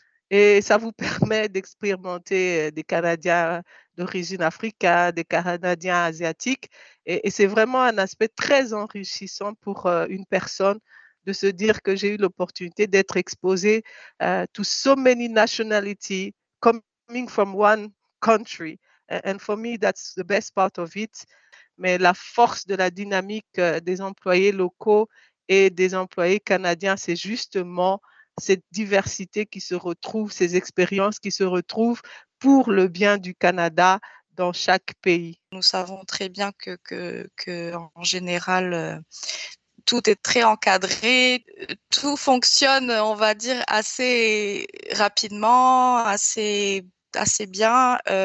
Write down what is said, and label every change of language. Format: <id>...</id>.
<fr>Et ça vous permet d'expérimenter des Canadiens d'origine africaine, des Canadiens asiatiques. Et c'est vraiment un aspect très enrichissant pour une personne de se dire que j'ai eu l'opportunité d'être exposée</fr> <en>to so many nationalities coming from one country. And for me, that's the best part of it.</en> <fr>Mais la force de la dynamique des employés locaux et des employés canadiens, c'est justement cette diversité qui se retrouve, ces expériences qui se retrouvent pour le bien du Canada dans chaque pays. Nous savons très bien que en général, tout est très encadré, tout fonctionne, on va dire, assez rapidement, assez bien.</fr>